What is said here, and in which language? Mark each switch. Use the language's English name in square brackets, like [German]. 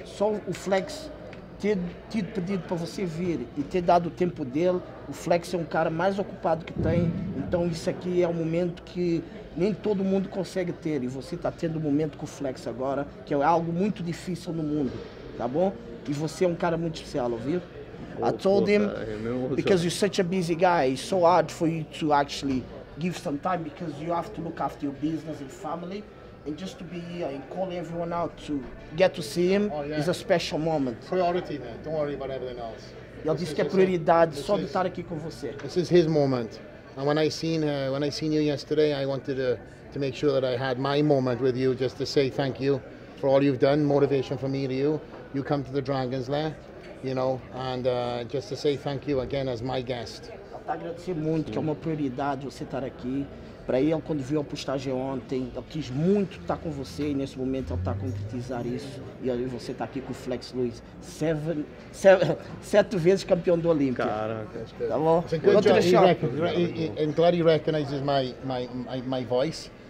[Portuguese] Só o Flex ter tido pedido para você vir e ter dado o tempo dele. O Flex é um cara mais ocupado que tem. Então isso aqui é um momento que nem todo mundo consegue ter. E você está tendo um momento com o Flex agora, que é algo muito difícil no mundo. Tá bom? E você é um cara muito especial, ouviu? [English] I told him, because you're such a busy guy, it's so hard for you to actually give some time because you have to look after your business and family, and just to be here and call everyone out to get to see him is a special moment. Priority, man. Don't worry about everything else. [Portuguese] Ele disse que é prioridade só de estar aqui com você. [English] This is his moment, and when I seen you yesterday, I wanted to make sure that I had my moment with you, just to say thank you for all you've done, motivation for me to you. You come to the Dragon's Lair, you know, and just to say thank you again as my guest. [Portuguese] Agradecer muito, sim. Que é uma prioridade você estar aqui. Para ele, quando viu a postagem ontem, eu quis muito estar com você e nesse momento ele está a concretizar isso. E aí você está aqui com o Flex Luiz, sete vezes campeão do Olympia. Caraca, acho que tá bom. Eu estou em [English] glad he recognizes my voice.